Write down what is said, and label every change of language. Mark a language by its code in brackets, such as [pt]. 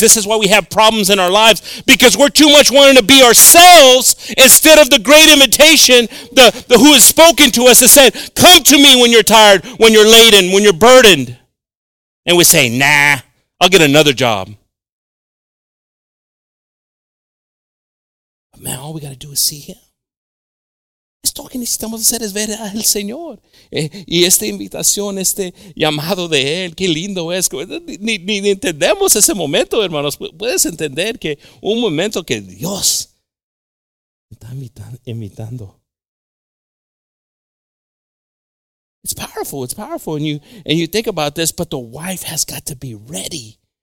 [en] This is why we have problems in our lives. Because we're too much wanting to be ourselves instead of the great invitation, the who has spoken to us and said, come to me when you're tired, when you're laden, when you're burdened. And we say, nah, I'll get another job. But man, all we got to do is see him. [es] Esto que necesitamos hacer es ver al Señor. Y esta invitación, este llamado de él, qué lindo es. Ni entendemos ese momento, hermanos. Puedes entender que un momento que Dios está invitando. [en] It's powerful. It's powerful. And you think about this, but the wife has got to be ready.